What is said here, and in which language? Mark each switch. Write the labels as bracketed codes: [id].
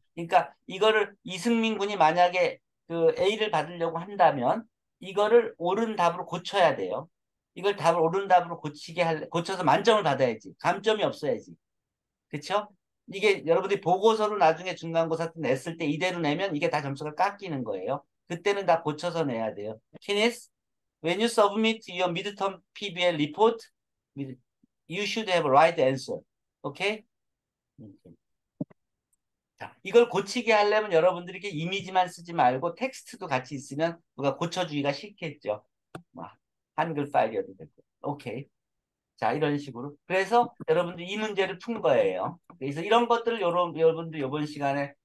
[ko] 그러니까 이거를 이승민 군이 만약에 그 A를 받으려고 한다면, 이거를 옳은 답으로 고쳐야 돼요. 이걸 답을 옳은 답으로 고쳐서 만점을 받아야지. 감점이 없어야지. 그쵸? 이게 여러분들이 보고서로 나중에 중간고사 때 냈을 때 이대로 내면 이게 다 점수가 깎이는 거예요. 그때는 다 고쳐서 내야 돼요. [en] Kenneth, when you submit your midterm PBL report, you should have a right answer. Okay? [ko] 자, 이걸 고치게 하려면 여러분들에게 이미지만 쓰지 말고 텍스트도 같이 있으면 누가 고쳐주기가 쉽겠죠. 막 한글 파일이어도 되고. 오케이. 자, 이런 식으로. 그래서 여러분들 이 문제를 푼 거예요. 그래서 이런 것들을 여러분들 이번 시간에